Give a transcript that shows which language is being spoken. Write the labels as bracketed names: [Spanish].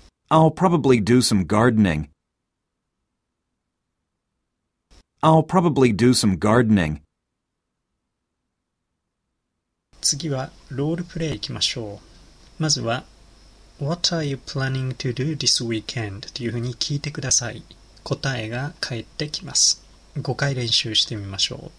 [English] I'll probably do some gardening. I'll probably do some gardening. [Japanese] 次はロールプレイ行きましょう。まずは [English] What are you planning to do this weekend? [Japanese] というふうに聞いてください。答えが返ってきます。 5回練習してみましょう。